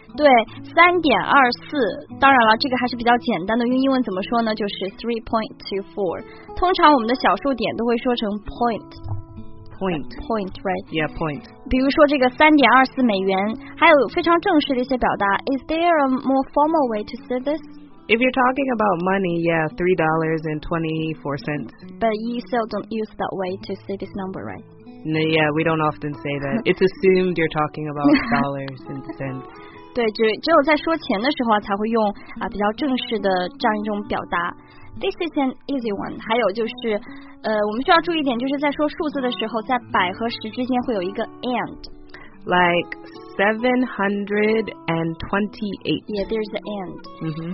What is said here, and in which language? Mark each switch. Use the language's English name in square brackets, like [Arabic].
[Chinese] 对，三点二四。当然了，这个还是比较简单的，用英文怎么说呢？就是 3.24. 通常我们的小数点都会说成 point. [English] Point. Point, right? Yeah, point. [Chinese] 比如说这个三点二四美元，还有非常正式的一些表达。 [English] Is there a more formal way to say this? If you're talking about money, yeah, $3.24. But you still don't use that way to say this number, right? No, yeah, we don't often say that. It's assumed you're talking about dollars and cents. [Chinese] 对，只有在说钱的时候才会用啊比较正式的这样一种表达。 [English] This is an easy one. [Chinese] 还有就是，我们需要注意一点，就是在说数字的时候，在百和十之间会有一个 and。 [English] Like 728. Yeah, there's the and.、